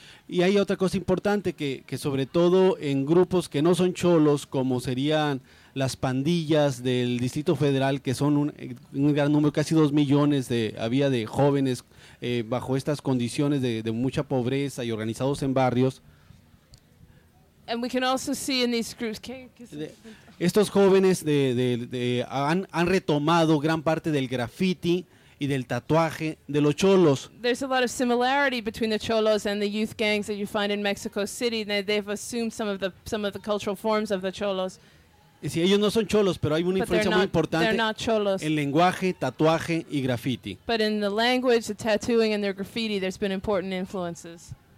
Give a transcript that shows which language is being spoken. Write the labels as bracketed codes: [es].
[es] Y hay otra cosa importante que sobre todo en grupos que no son cholos, como serían las pandillas del Distrito Federal, que son un gran número, casi 2 millones de jóvenes bajo estas condiciones de mucha pobreza y organizados en barrios. [en] And we can also see in these groups. [es] Estos jóvenes de han retomado gran parte del graffiti y del tatuaje de los cholos. [en] There's a lot of similarity between the cholos and the youth gangs that you find in Mexico City. They've assumed some of the cultural forms of the cholos. [es] Y si ellos no son cholos, pero hay una influencia muy importante en lenguaje, tatuaje y graffiti. [en] But in the language, the tattooing and their graffiti, there's been important influences.